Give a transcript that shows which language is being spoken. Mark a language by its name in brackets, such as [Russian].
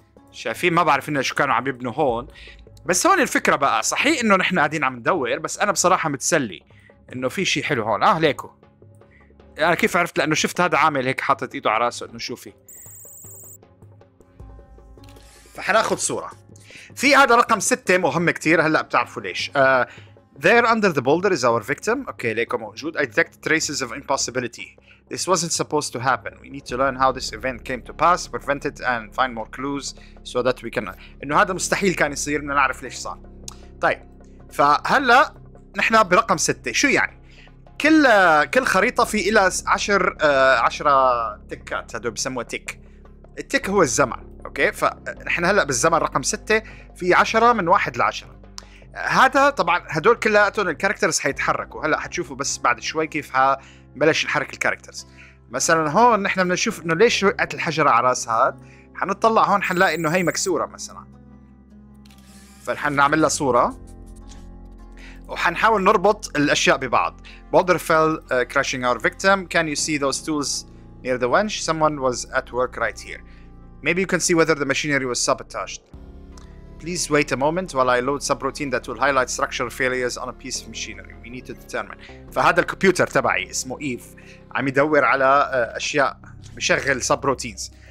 [Arabic] شايفين؟ ما بعرف انه شو كانوا عم يبنوا هون. بس هون الفكره بقى، صحيح انه نحن قاعدين عم ندور، بس انا بصراحه متسلي انه في شيء حلو هون. ليكو، انا كيف عرفت؟ لانه شفت هذا عامل هيك حاطط ايده على راسه انه شوفي. فحناخذ صوره في هذا رقم 6، مهم كثير. هلا بتعرفوا ليش. [English] There under the boulder is our victim. [Arabic] اوكي ليكو موجود. [English] I detect traces of impossibility. This wasn't supposed to happen. We need to learn how this event came to pass, prevent it, and find more clues so that we can. [Arabic] إنه هذا مستحيل كان يصير، بدنا نعرف ليش صار. طيب فهلا نحن برقم 6. شو يعني؟ كل خريطة في إلى 10 تكات، هدول بسموها تك. التك هو الزمن، أوكي؟ فنحن هلا بالزمن رقم 6، في 10 من 1 ل10. هذا طبعا هدول كلياتهم الكاركترز حيتحركوا، هلا حتشوفوا بس بعد شوي كيف بلش نحرك الكاركترز. مثلا هون نحن بنشوف انه ليش وقعت الحجره على راس هاد. حنطلع هون حنلاقي انه هي مكسوره مثلا، فنحن نعمل لها صوره وحنحاول نربط الاشياء ببعض. [English] Boulder fell crushing our victim. Can you see those tools near the wench? Someone was at work right here. Maybe you can see whether the machinery was sabotaged. Please wait a moment while I load subroutine that will highlight structural failures on a piece of machinery. We need to determine. [Arabic] فهذا الكمبيوتر تبعي اسمه إيف عم يدور على أشياء، بشغل subroutines.